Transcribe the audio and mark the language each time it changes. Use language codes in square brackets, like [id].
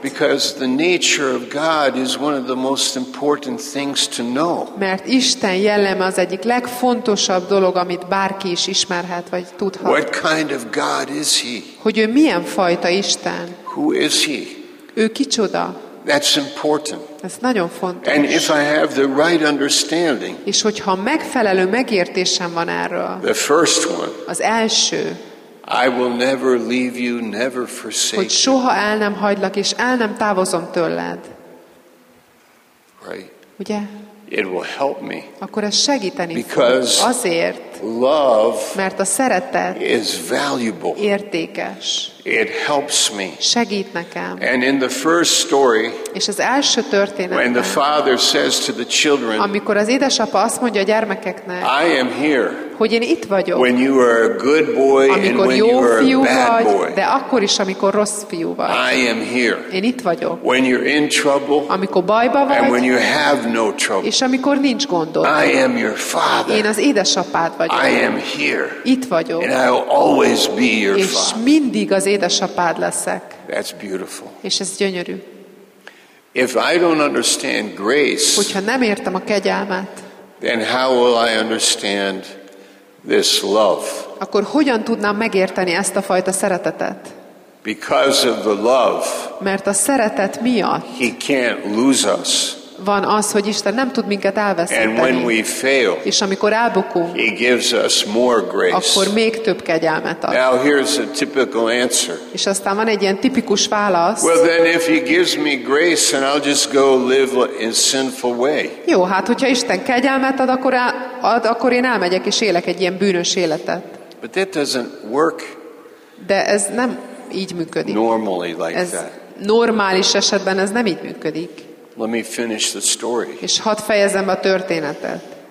[en] because the nature of God is one of the most important things to know. [hu] Mert Isten jelleme az egyik legfontosabb dolog, amit bárki is ismerhet vagy tudhat. [en] What kind of God is he? [hu] Hogy ő milyen fajta Isten? [en] Who is he? [hu] Ő kicsoda? [en] That's important. [hu] Ez nagyon fontos. [en] And if I have the right understanding. [hu] És hogyha megfelelő megértésem van erről. [en] The first one. [hu] Az első. [en] I will never leave you, never forsake you. [hu] Hogy soha el nem hagylak és el nem távozom tőled. [en] Right. [hu] Ugye? [en] It will help me. [hu] Akkor ez segíteni [en] because [hu] fog. Azért. [en] Love. [hu] Mert a szeretet [en] is valuable. [hu] Értékes. [en] It helps me. [hu] Segít nekem. [en] And in the first story. [hu] És az első történetben. [en] When the father says to the children. [hu] Amikor az édesapa azt mondja a gyermekeknek. [en] I am here. [hu] Hogy én itt vagyok. [en] When you are a good boy and when you are a bad [hu] vagy, [en] boy. [hu] De akkor is, amikor rossz fiú vagy. [en] I am here. [hu] Én itt vagyok. [en] When you're in trouble. [hu] Amikor bajba vagy. [en] And when you have no trouble. [hu] És amikor nincs gondod. [en] I am your father. [hu] Én az édesapád vagyok. [en] I am here. [hu] Itt vagyok. [en] And I will always be your father. [hu] És mindig az édesapád leszek. [en] That's beautiful. [hu] És ez gyönyörű. [en] If I don't understand grace. [hu] Hogyha nem értem a kegyelmet. [en] Then how will I understand this love? [hu] Akkor hogyan tudnám megérteni ezt a fajta szeretetet? [en] Because of the love. [hu] Mert a szeretet miatt. [en] He can't lose us. [hu] van az, hogy Isten nem tud minket elveszíteni. [en] And when we fail, [hu] és amikor elbukunk, [en] he gives us more grace. [hu] Akkor még több kegyelmet ad. [en] Now here's a typical answer. [hu] És aztán van egy ilyen tipikus válasz. [en] Well then if he gives me grace and I'll just go live in sinful way. [hu] Jó, hát hogyha Isten kegyelmet ad, akkor én elmegyek és élek egy ilyen bűnös életet. [en] But that doesn't work. [hu] De ez nem így működik. [en] Normally like [hu] ez [en] that. [hu] Normális esetben ez nem így működik. [en] Let me finish the story. [hu] És hadd fejezem be a történetet.